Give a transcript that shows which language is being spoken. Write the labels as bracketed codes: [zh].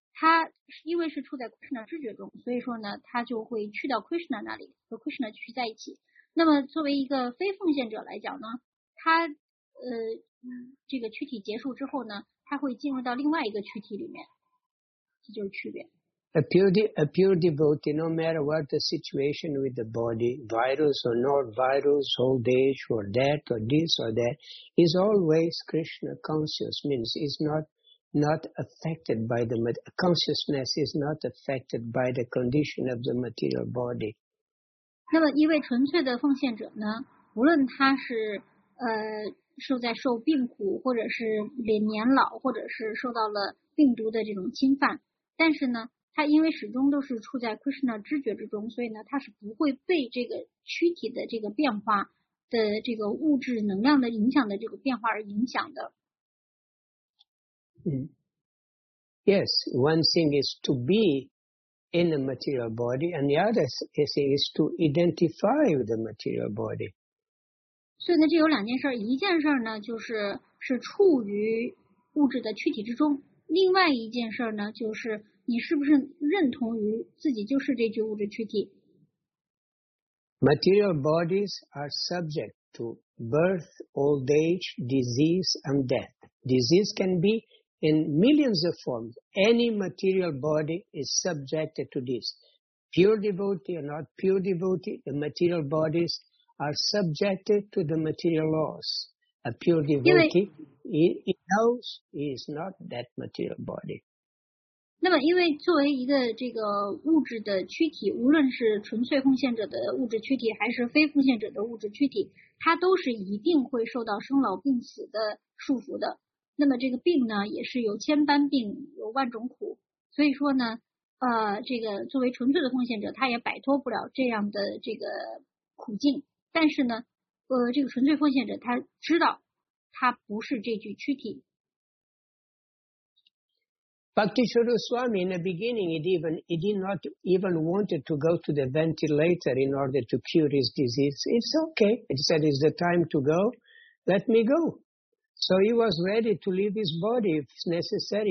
[zh] 他因为是处在 Krishna 知觉中，所以说呢，他就会去到 Krishna 那里和 Krishna 去在一起。那么作为一个非奉献者来讲呢，他这个躯体结束之后呢，他会进入到另外一个躯体里面，这就是区别。 [en] A pure devotee, no matter what the situation with the body, virus or not virus, old age or that or this or that, is always Krishna conscious. Means is not affected by the consciousness is not affected by the condition of the material body. [zh] 那么一位纯粹的奉献者呢，无论他是受病苦，或者是年老，或者是受到了病毒的这种侵犯，但是呢，他因为始终都是处在 Krishna 知觉之中，所以呢，他是不会被这个躯体的这个变化的这个物质能量的影响的这个变化而影响的。 [en] Yes, one thing is to be in a material body, and the other thing is to identify with the material body. [zh] 所以呢，这有两件事，一件事呢，就是是处于物质的躯体之中，另外一件事呢，就是你是不是认同于自己就是这具物质躯体。 [en] Material bodies are subject to birth, old age, disease, and death. Disease can be in millions of forms. Any material body is subjected to this. Pure devotee or not pure devotee, the material bodies are subjected to the material laws. A pure devotee, he knows he is not that material body. [zh] 那么因为作为一个这个物质的躯体，无论是纯粹奉献者的物质躯体还是非奉献者的物质躯体，它都是一定会受到生老病死的束缚的。那么这个病呢，也是有千般病，有万种苦，所以说呢，这个作为纯粹的奉献者，他也摆脱不了这样的这个苦境。但是呢，这个纯粹奉献者他知道他不是这具躯体。 [en] Bhakti Swaroop Swami, in the beginning, he did not even want to go to the ventilator in order to cure his disease. It's okay. He said, it's the time to go. Let me go. So he was ready to leave his body if necessary.